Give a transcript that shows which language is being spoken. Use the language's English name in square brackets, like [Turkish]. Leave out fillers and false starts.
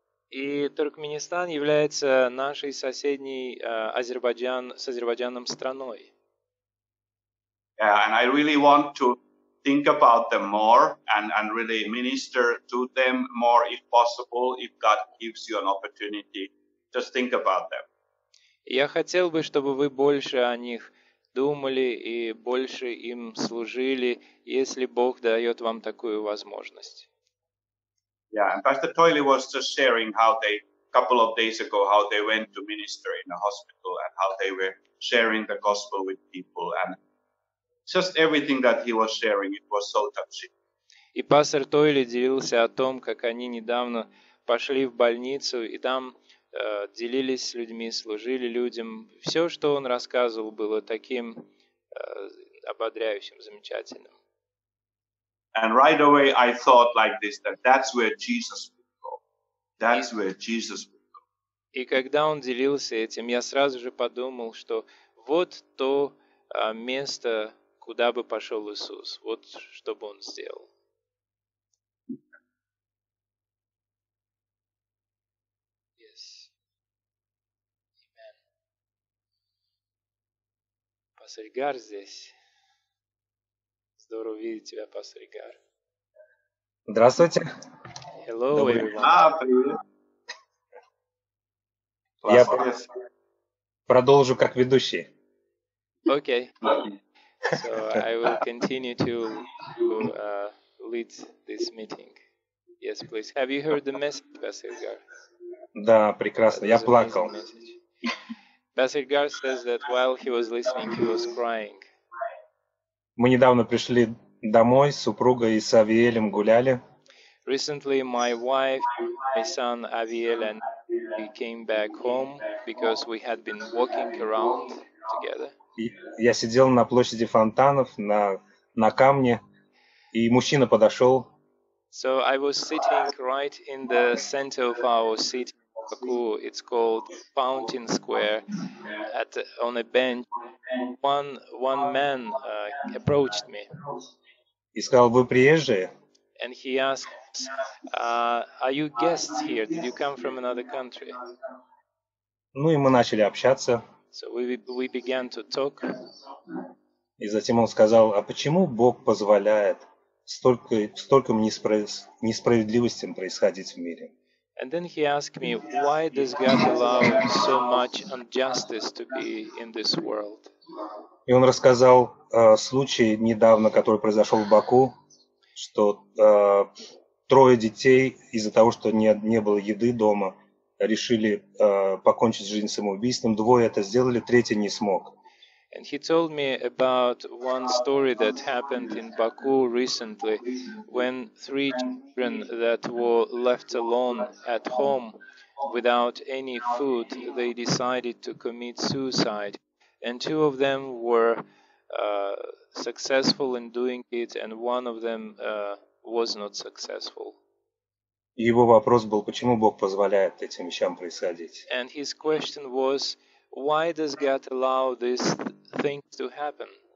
[Russian] И Туркменистан является нашей соседней Азербайджан с Азербайджаном страной. [English] Yeah, and I really want to think about them more and really minister to them more if possible, if God gives you an opportunity. Just think about them. [Russian] Я хотел бы, чтобы вы больше о них думали и больше им служили, если Бог дает вам такую возможность. [English] Yeah, and Pastor Toily was just sharing how they, a couple of days ago, how they went to minister in a hospital and how they were sharing the gospel with people. And just everything that he was sharing, it was so touching. [Russian] И пастор Тойли делился о том, как они недавно пошли в больницу и там делились с людьми, служили людям. Все, что он рассказывал, было таким ободряющим, замечательным. [English] And right away I thought like this, that that's where Jesus would go. That's where Jesus would go. [Russian] И когда он делился этим, я сразу же подумал, что вот то место, куда бы пошел Иисус, вот что бы он сделал. [English] Yes. Amen. [Russian] Пастор Игар здесь. Здорово видеть тебя, пастор Игар. Здравствуйте. [English] Hello, [Russian] добрый [English] everyone. [Russian] Привет. Я продолжу как ведущий. [English] Окей. Okay. So I will continue to lead this meeting. Yes, please. Have you heard the message, Pastor Gar? [Russian] Да, прекрасно. Я плакал. [English] Pastor Gar says that while he was listening, he was crying. [Russian] Мы недавно пришли домой, супруга и с Авиэлем гуляли. [English] Recently, my wife, my son Авиэл, and we came back home because we had been walking around together. [Russian] Я сидел на площади фонтанов, на камне, и мужчина подошел. [English] So I was sitting right in the center of our city, Baku. It's called Fountain Square. On a bench, one man approached me. [Russian] И сказал, вы приезжие? [English] And he asked, are you guests here? Did you come from another country? [Russian] Ну и мы начали общаться. [English] So we began to talk. [Russian] И затем он сказал, а почему Бог позволяет столько несправедливостей происходить в мире? [English] And then he asked me, why does God allow so much injustice to be in this world? [Russian] И он рассказал случай недавно, который произошел в Баку. что трое детей из-за того, что не было еды дома, решили покончить жизнь самоубийством. Двое это сделали, третий не смог. [English] And he told me about one story that happened in Baku recently, when three children that were left alone at home without any food, they decided to commit suicide. And two of them were successful in doing it, and one of them was not successful. [Russian] Его вопрос был, почему Бог позволяет этим вещам происходить? [English] And his question was, why does God allow these things to happen?